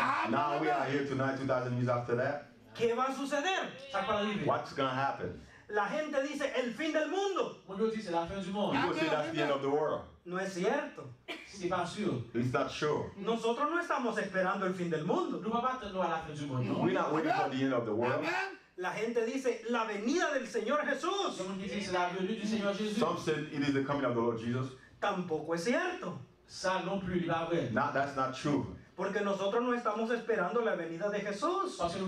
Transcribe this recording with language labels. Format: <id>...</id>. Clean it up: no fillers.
<en>Now we are here tonight, 2,000 years after that.</en> <es>¿Qué va a suceder?</es> <en>What's going to happen?</en> <es>La gente dice el fin del mundo.</es> <en>People say that's the end of the world.</en> <es>No es cierto.</es> <en>Is that sure?</en> <es>Nosotros no estamos esperando el fin del mundo.</es> <en>We're not waiting for the end of the world.</en> <es>La gente dice la venida del Señor Jesús.</es> <en>Some said it is the coming of the Lord Jesus.</en> <es>Tampoco es cierto.</es> <en>No, that's not true.</en> <es>Porque nosotros no estamos esperando la venida de Jesús.</es>